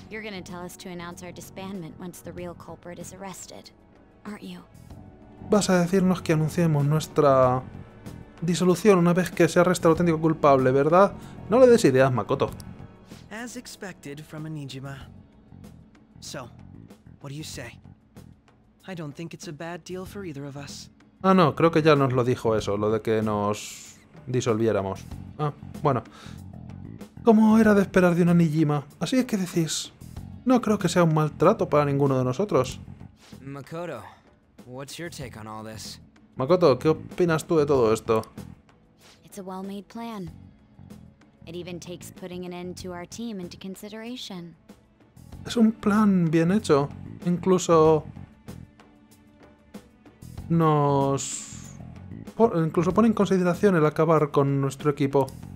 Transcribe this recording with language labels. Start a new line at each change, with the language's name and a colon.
English: You're gonna tell us to announce our disbandment once the real culprit is arrested, aren't you?
Spanish: Vas a decirnos que anunciemos nuestra disolución una vez que se arreste el auténtico culpable, ¿verdad? No le des ideas, Makoto.
English: As expected from a Nijima. So, what do you say? I don't think it's a bad deal for either of us.
Spanish: Ah, no, creo que ya nos lo dijo eso, lo de que nos disolviéramos. Ah, bueno. ¿Cómo era de esperar de una Nijima? Así es que decís, no creo que sea un maltrato para ninguno de nosotros. Makoto.
English: What's your take on all this?
Spanish: Makoto, ¿qué opinas tú de todo esto?
English: It's a well-made plan. It even takes putting an end to our team into consideration.
Spanish: Es un plan bien hecho. Incluso nos incluso pone en consideración el acabar con nuestro equipo.